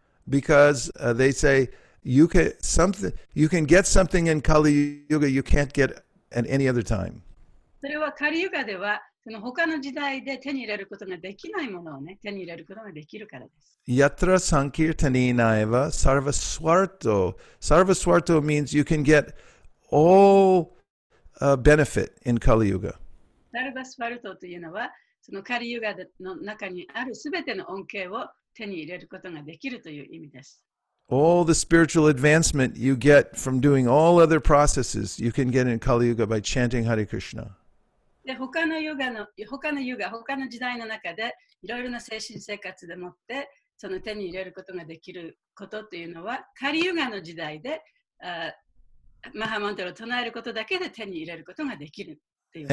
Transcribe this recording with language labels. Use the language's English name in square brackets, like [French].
[English] Because they say,you can get something in Kali Yuga you can't get at any other time. [Japanese] それはカリユガでは、その他の時代で手に入れることができないものをね、手に入れることができるからです。 [Sanskrit] Yatra sankirtaninaiva sarva swarto. Sarva swarto [English] means you can get all benefit in Kali Yuga. [Sanskrit] Sarva swarto [Japanese] というのは、そのカリユガの中にあるすべての恩恵を手に入れることができるという意味です。 [English] All the spiritual advancement you get from doing all other processes, you can get in Kali Yuga by chanting Hare Krishna. [Japanese] で、他の時代の中で、いろいろな精神生活でもって、その手に入れることができることというのは、カリユガの時代で、マハマントラを唱えることだけで手に入れることができるっていう。